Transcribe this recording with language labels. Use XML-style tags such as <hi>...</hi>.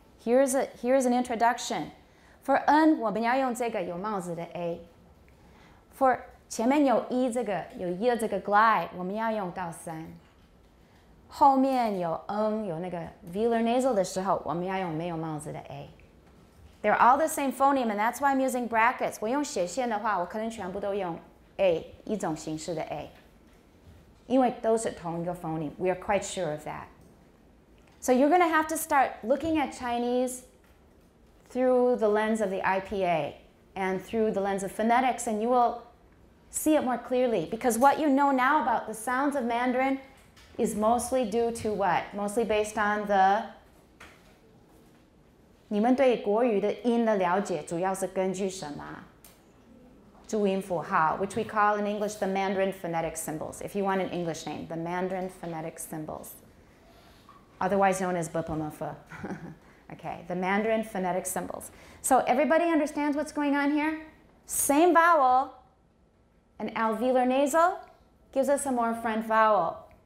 <en>Here's an introduction. For N,</en> <zh>我们要用这个有帽子的 A. For 前面有 E 这个有 Y 这个 glide, 我们要用到三。后面有 N, 有那个 velar nasal 的时候我们要用没有帽子的 A.</zh> <en>They're all the same phoneme, and that's why I'm using brackets.</en> <zh>我用斜线的话我可能全部都用 A, 一种形式的 A. 因为都是同一个 phoneme.</zh> <en>We are quite sure of that. So you're going to have to start looking at Chinese through the lens of the IPA and through the lens of phonetics, and you will see it more clearly. Because what you know now about the sounds of Mandarin is mostly due to what? Mostly based on the</en> <zh>你们对国语的音的了解主要是根据什么？</zh> <en>注音符号 which we call in English the Mandarin phonetic symbols. If you want an English name, the Mandarin phonetic symbols, otherwise known as Bipamufa. Okay, the Mandarin phonetic symbols. So everybody understands what's going on here? Same vowel, an alveolar nasal gives us a more front vowel.</en>